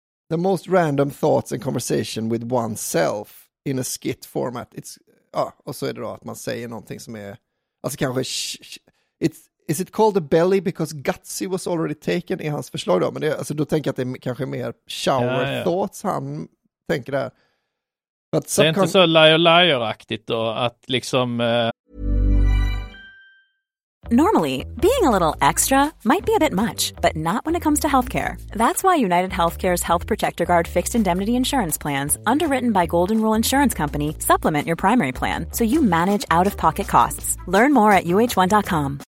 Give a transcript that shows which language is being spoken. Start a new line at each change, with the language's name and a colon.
English: The most random thoughts and conversation with oneself in a skit format.
Swedish: It's och så är det då att man säger någonting som är, alltså kanske
English: is it called a belly because Gutsy was already taken,
Swedish: är hans förslag då, men det, alltså då tänker jag att det är kanske mer shower ja. Thoughts han tänker där. Det är inte så liar-liar-aktigt då att liksom
English: Normally, being a little extra might be a bit much, but not when it comes to healthcare. That's why United Healthcare's Health Protector Guard fixed indemnity insurance plans, underwritten by Golden Rule Insurance Company, supplement your primary plan so you manage out-of-pocket costs. Learn more at uh1.com.